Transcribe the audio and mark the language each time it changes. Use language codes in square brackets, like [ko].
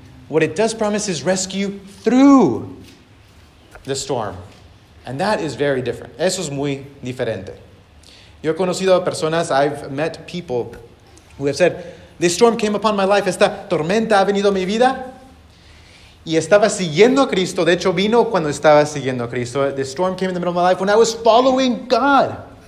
[en] What it does promise is rescue through the storm. And that is very different. [es] Eso es muy diferente. Yo he conocido a personas, [en] I've met people who have said, this storm came upon my life. [es] Esta tormenta ha venido a mi vida. Y estaba siguiendo a Cristo. De hecho, vino cuando estaba siguiendo a Cristo. [en] The storm came in the middle of my life when I was following God.